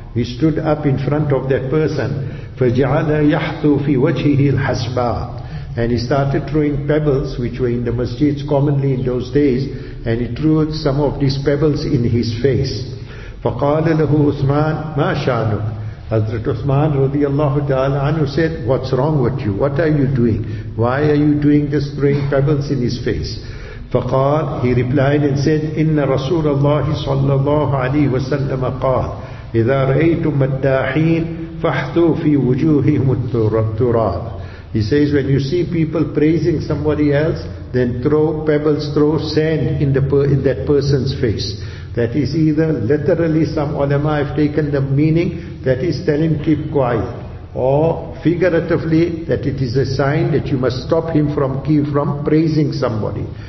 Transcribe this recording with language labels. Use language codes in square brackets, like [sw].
[en] He stood up in front of that person. [ar] Fajala yahthu fi wajhihi al-hasba, [en] and he started throwing pebbles, which were in the masjids commonly in those days, and he threw some of these pebbles in his face. [ar] فَقَالَ لَهُ عُثْمَانُ مَا شَانُكَ. [en] Hazrat Uthman radiallahu ta'ala anhu said, what's wrong with you? What are you doing? Why are you doing this, throwing pebbles in his face? [ar] فقال, [en] he replied and said, [ar] إِنَّ رَسُولَ اللَّهِ صَلَّى اللَّهُ عَلَيْهِ وَسَلَّمَ قَالْ إِذَا رَأَيْتُمْ مَدَّاحِينَ فَحْثُوا فِي وُجُوهِهُمُ التُّرَابِ. [en] He says, when you see people praising somebody else, then throw pebbles, throw sand in that person's face. That is either literally, some ulama have taken the meaning, that is telling him keep quiet, or figuratively that it is a sign that you must stop him from praising somebody.